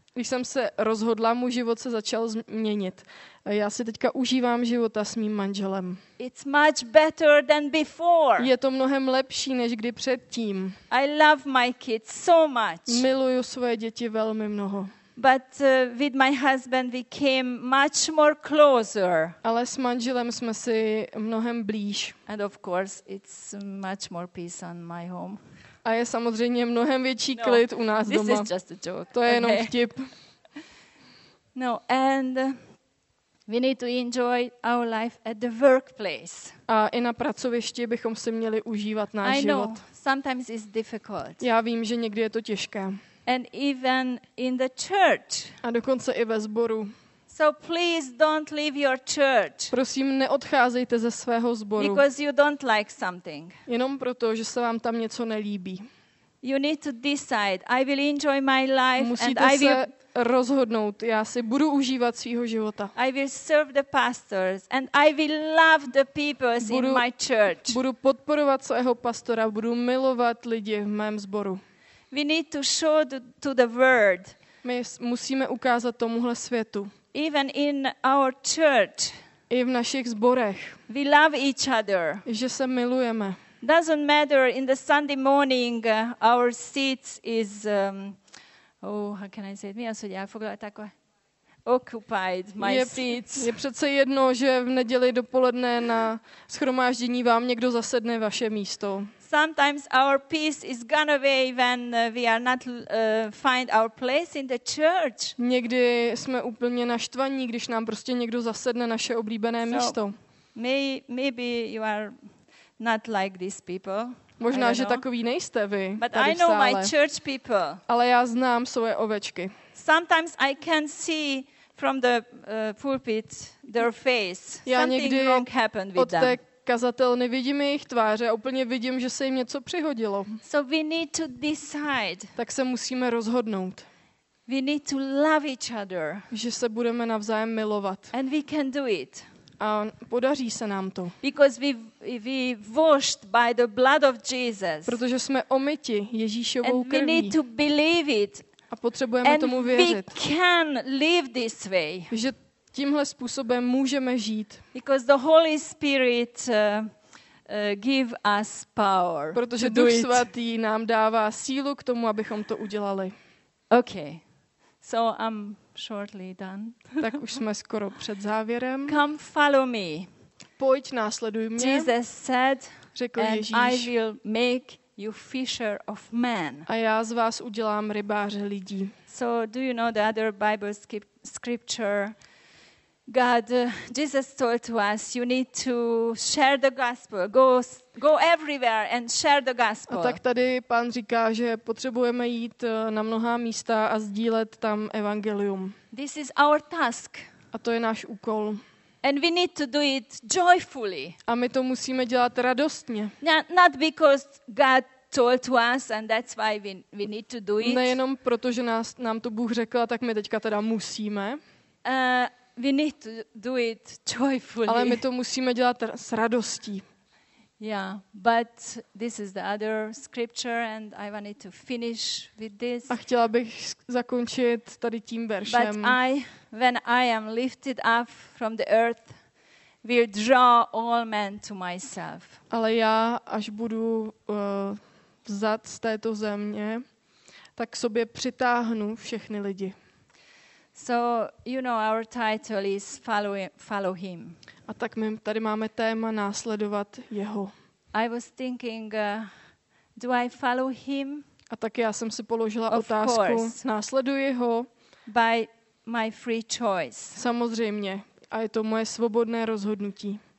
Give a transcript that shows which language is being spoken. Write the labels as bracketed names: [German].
[Czech] Když jsem se rozhodla, můj život se začal změnit. Já si teďka užívám života s mým manželem. [English] It's much better than before. [Czech] Je to mnohem lepší než kdy předtím. [English] I love my kids so much. [Czech] Miluju svoje děti velmi mnoho. [English] But with my husband we came much more closer. [Czech] Ale s manželem jsme si mnohem blíž. [English] And of course it's much more peace on my home. [Czech] A je samozřejmě mnohem větší klid u nás doma. [English] This is just a joke. [Czech] To je jenom vtip. [English] No, and we need to enjoy our life at the workplace. [Czech] A i na pracovišti bychom si měli užívat náš život. [English] I know, sometimes it's difficult. [Czech] Já vím, že někdy je to těžké. [English] And even in the church. [Czech] A dokonce i ve sboru. [English] So please don't leave your church. [Czech] Prosím, neodcházejte ze svého sboru. [English] Because you don't like something. [Czech] Jenom proto, že se vám tam něco nelíbí. [English] You need to decide. I will enjoy my life. [Czech] Musíte [English] and I [Czech] se [English] will [Czech] rozhodnout. Já si budu užívat svého života. [English] I will serve the pastors and I will love the people in my church. [Czech] Budu podporovat svého pastora, budu milovat lidi v mém sboru. [English] We need to show to the world. [Czech] My musíme ukázat tomuhle světu. [English] Even in our church. [Czech] I v našich zborech. [English] We love each other. [Czech] Že se milujeme. [English] Doesn't matter in the Sunday morning our seats is how can I say it? Mi asi já fogla takové. Occupied my seats. [Czech] Je přece jedno, že v neděli dopoledne na shromáždění vám někdo zasedne vaše místo. [English] Sometimes our peace is gone away when we are not find our place in the church. [Czech] Někdy jsme úplně naštvaní, když nám prostě někdo zasedne naše oblíbené místo. [English] Maybe you are not like these people. [Czech] Možná, že takový nejste vy. [English] But I know my church people. [Czech] Ale já znám svoje ovečky. [English] Sometimes I can see from the pulpit their face. [Czech] Já někdy [English] something wrong happened with [Czech] od [English] them. [Czech] kazatel, nevidím jejich tváře a úplně vidím, že se jim něco přihodilo. [English] So we need to decide. [Czech] Tak se musíme rozhodnout. [English] We need to love each other. [Czech] Že se budeme navzájem milovat. [English] And we can do it. [Czech] A podaří se nám to. [English] Because we washed by the blood of Jesus. [Czech] Protože jsme omyti Ježíšovou krví. [English] And we need to believe it. [Czech] A potřebujeme [English] and [Czech] tomu věřit. [English] We can live this way. [Czech] Že tímhle způsobem můžeme žít. [English] Because the Holy Spirit give us power. [Czech] Protože Duch svatý nám dává sílu k tomu, abychom to udělali. [English] Okay. So I'm shortly done. [Czech] Tak už jsme skoro před závěrem. [English] Come follow me. [Czech] Pojď následuj mě. [English] Jesus said, [Czech] řekl [English] and [Czech] Ježíš. [English] I will make you fisher of men. [Czech] A já z vás udělám rybáře lidí. [English] So do you know the other Bible scripture? God, Jesus told to us, you need to share the gospel. Go everywhere and share the gospel. [Czech] A tak tady pán říká, že potřebujeme jít na mnohá místa a sdílet tam evangelium. [English] This is our task. [Czech] A to je náš úkol. [English] And we need to do it joyfully. [Czech] A my to musíme dělat radostně. [English] Not because God told to us and that's why we need to do it. [Czech] Nejenom proto, že nám to Bůh řekl, tak my teďka teda musíme. [English] We need to do it joyfully. [Czech] Ale my to musíme dělat s radostí. [English] Yeah, but this is the other scripture and I wanted to finish with this. [Czech] A chtěla bych zakončit tady tím veršem. [English] But I, when I am lifted up from the earth, will draw all men to myself. [Czech] Ale já, až budu vzat z této země, tak k sobě přitáhnu všechny lidi. [English] So you know our title is follow him. [Czech] A tak my tady máme téma následovat jeho. [English] I was thinking do I follow him? [Czech] A tak já jsem si položila otázku, následuji ho [English] by my free choice. [Czech] Samozřejmě, a je to moje svobodné rozhodnutí.